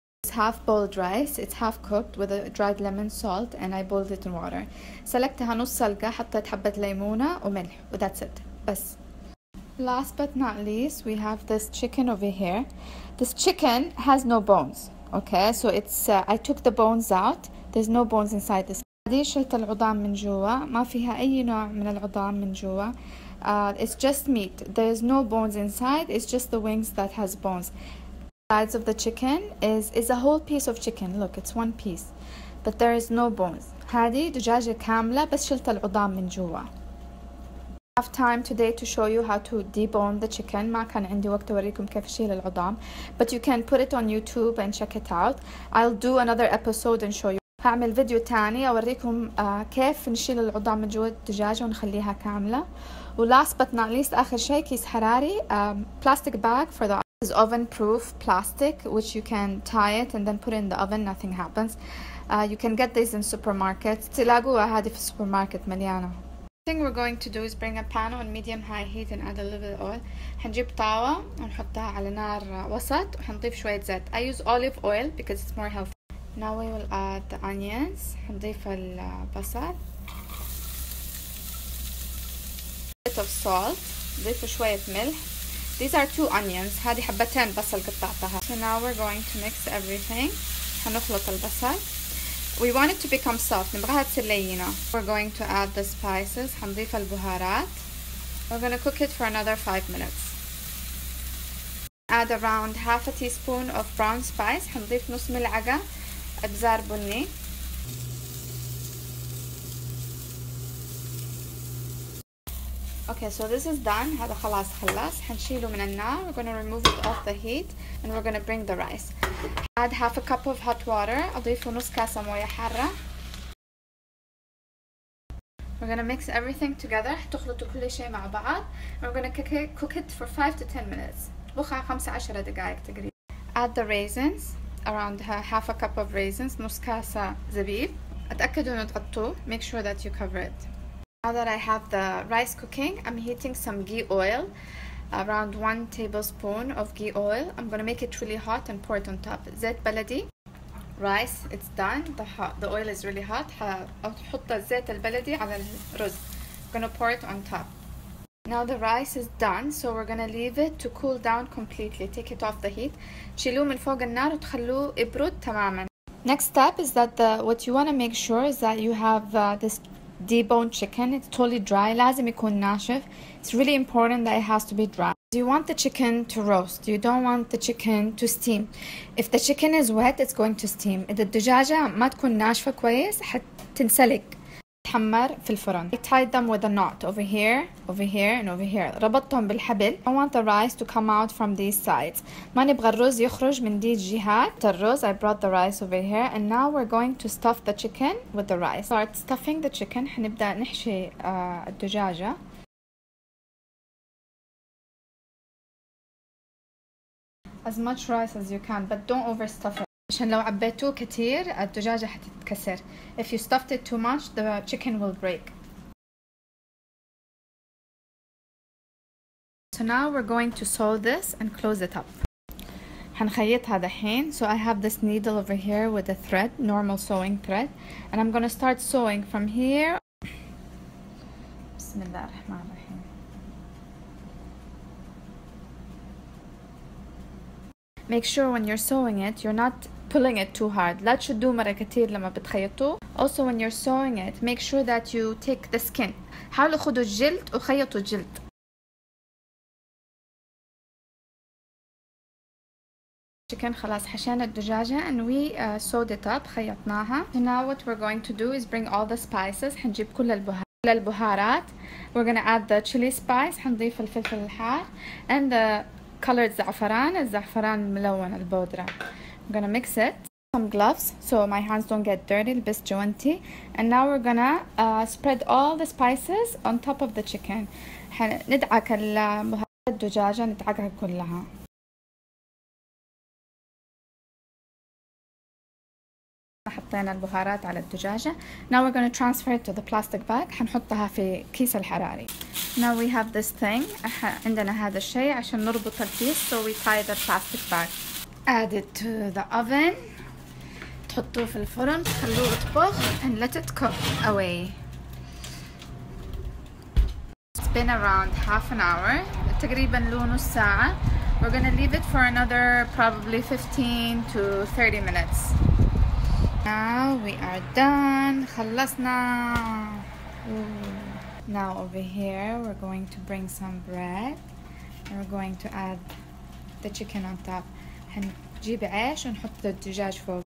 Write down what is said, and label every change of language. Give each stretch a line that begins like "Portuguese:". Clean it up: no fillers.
English: It's half boiled rice, it's half cooked with a dried lemon salt and I boiled it in water.
Arabic: سلقتها نص سلقة حطيت حبة ليمونة وملح و
English: that's it.
Arabic: بس.
English: Last but not least we have this chicken over here. This chicken has no bones. Okay, so it's I took the bones out. There's no bones inside this.
Arabic: هذه شلت العظام من جوا. ما فيها أي نوع من العظام من جوا.
English: It's just meat. There's no bones inside. It's just the wings that has bones. Sides of the chicken is a whole piece of chicken. Look, it's one piece, but there is no bones.
Arabic: هذه دجاجة كاملة بس شلت العظام من جوا.
English: Have time today to show you how to debone the chicken.
Arabic: ما كان عندي وقت أوريكم كيف أشيل العظام.
English: But you can put it on YouTube and check it out. I'll do another episode and show you.
Arabic: هعمل فيديو تاني أوريكم كيف نشيل العظام من جوا الدجاجة ونخليها كاملة.
English: و last but not least
Arabic: آخر شيء كيس حراري
English: plastic bag for the is oven proof plastic which you can tie it and then put it in the oven, nothing happens. You can get these in supermarkets.
Arabic: تلاقوها هذه في السوبرماركت مليانة.
English: The thing we're going to do is bring a pan on medium high heat and add a little oil.
Arabic: حنجيب طاوة ونحطها على نار وسط وحنضيف شوية زيت.
English: I use olive oil because it's more healthy. Now we will add the onions.
Arabic: حنضيف البصل.
English: Bit of salt.
Arabic: ضيف شوية ملح.
English: These are two onions.
Arabic: هذه حبتين بصل قطعتها.
English: So now we're going to mix everything.
Arabic: حنخلط البصل.
English: We want it to become soft.
Arabic: نبغاها تصير لينة.
English: We're going to add the spices.
Arabic: حنضيف البهارات.
English: We're going to cook it for another 5 minutes. Add around half a teaspoon of brown spice.
Arabic: حنضيف نص ملعقة ابزار بني.
English: Okay, so this is done.
Arabic: هذا خلاص خلص. حنشيله من النار.
English: We're gonna remove it off the heat, and we're gonna bring the rice. Add half a cup of hot water.
Arabic: أضيف نص كاسة موية حارة.
English: We're gonna mix everything together.
Arabic: حتخلطوا كل شيء مع بعض.
English: We're gonna cook it for 5 to 10 minutes.
Arabic: طبخها 15 دقائق تقريبا.
English: Add the raisins. Around half a cup of raisins.
Arabic: نص كاسة زبيب. أتأكدوا إنه تغطوه.
English: Make sure that you cover it. Now that I have the rice cooking, I'm heating some ghee oil, around 1 tablespoon of ghee oil. I'm gonna make it really hot and pour it on top.
Arabic: زيت بلدي.
English: Rice, it's done. The oil is really hot.
Arabic: حط الزيت البلدي على الرز.
English: Gonna pour it on top. Now the rice is done, so we're gonna leave it to cool down completely. Take it off the heat.
Arabic: شيلوه من فوق النار وتخلوه يبرد تماما.
English: Next step is that what you wanna make sure is that you have this deboned chicken. It's totally dry.
Arabic: لازم يكون ناشف.
English: It's really important that it has to be dry. Do you want the chicken to roast? You don't want the chicken to steam. If the chicken is wet, it's going to steam.
Arabic: إذا الدجاجة ما تكون ناشفة كويس حتنسلق. تحمر في الفرن.
English: I tied them with a knot over here, over here, and over here.
Arabic: ربطتهم بالحبل.
English: I want the rice to come out from these sides.
Arabic: ما نبغى الرز يخرج من دي الجهات. الرز.
English: I brought the rice over here, and now we're going to stuff the chicken with the rice. Start stuffing the chicken.
Arabic: حنبدأ نحشي الدجاجة.
English: As much rice as you can, but don't overstuff it.
Arabic: عشان لو عبيتوه كتير الدجاجة حتتكسر.
English: If you stuffed it too much, the chicken will break. So now we're going to sew this and close it up.
Arabic: حنخيطها دحين.
English: So I have this needle over here with a thread, normal sewing thread. And I'm gonna start sewing from here.
Arabic: بسم الله الرحمن الرحيم.
English: Make sure when you're sewing it, you're not pulling it too hard.
Arabic: لا تشدوه مرة كتير لما بتخيطوه.
English: Also, when you're sewing it, make sure that you take the skin.
Arabic: حاولوا خدوا الجلد وخيطوا الجلد.
English: Chicken,
Arabic: خلاص حشينا الدجاجة
English: and we sewed it up,
Arabic: خيطناها.
English: So now what we're going to do is bring all the spices.
Arabic: حنجيب كل البهارات.
English: We're gonna add the chili spice.
Arabic: حنضيف الفلفل الحار
English: and the colored
Arabic: زعفران. الزعفران ملون البودرة.
English: I'm gonna mix it. Some gloves so my hands don't get dirty. Best jointy. And now we're gonna spread all the spices on top of the chicken.
Arabic: حندعك البهارات الدجاجة ندعكها كلها. حطينا البهارات على الدجاجة.
English: Now we're gonna transfer it to the plastic bag.
Arabic: حنحطها في كيس الحراري.
English: Now we have this thing.
Arabic: عندنا هذا الشيء عشان نربط الكيس.
English: So we tie the plastic bag. Add it to the oven.
Arabic: تحطوه في الفرن. خلوه يطبخ.
English: And let it cook away. It's been around half an hour.
Arabic: تقريبا له نص ساعة.
English: We're gonna leave it for another probably 15 to 30 minutes. Now we are done.
Arabic: خلصنا.
English: Now over here we're going to bring some bread. We're going to add the chicken on top.
Arabic: هنجيب عيش ونحط الدجاج فوق.